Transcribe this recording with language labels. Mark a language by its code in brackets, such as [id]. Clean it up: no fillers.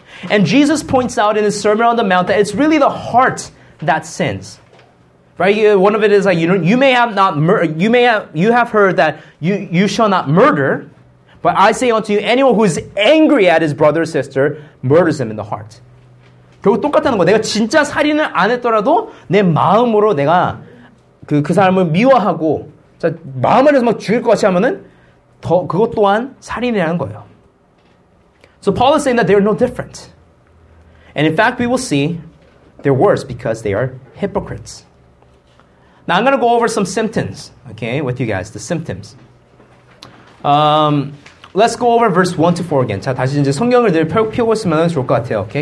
[en] And Jesus points out in his Sermon on the Mount that it's really the heart that sins. Right? One of it is like, you have heard that you shall not murder, but I say unto you, anyone who is angry at his brother or sister murders him in the heart. [ko] 결국 똑같다는 거. 내가 진짜 살인을 안 했더라도 내 마음으로 내가 그 사람을 미워하고 자, 마음 안에서 막 죽일 것 같이 하면은 더 그것 또한 살인이라는 거예요. [en] So Paul is saying that they are no different. And in fact, we will see they're worse because they are hypocrites. Now I'm going to go over some symptoms, okay, with you guys, the symptoms. Let's go over verse 1 to 4 again. [ko] 자, 다시 이제 성경을 늘 펴고 있으면 좋을 것 같아요, [en] okay?